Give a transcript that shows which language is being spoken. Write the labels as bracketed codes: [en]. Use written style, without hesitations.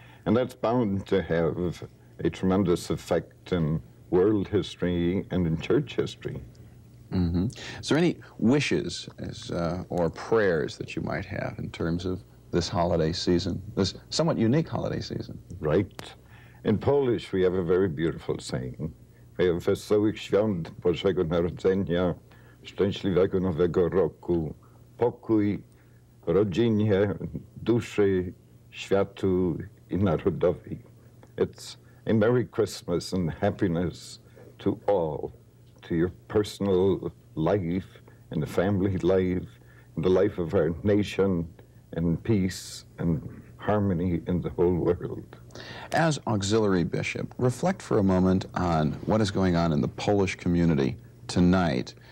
[en] And that's bound to have a tremendous effect in world history and in church history. Mm-hmm. Is there any wishes or prayers that you might have in terms of this holiday season, this somewhat unique holiday season? Right. In Polish, we have a very beautiful saying. We have [pl] Wesołych Świąt Bożego Narodzenia, Szczęśliwego Nowego Roku, Pokój Rodzinie, duszy, światu I narodowi. [en] It's a Merry Christmas and happiness to all, to your personal life and the family life and the life of our nation and peace and harmony in the whole world. As Auxiliary Bishop, reflect for a moment on what is going on in the Polish community tonight.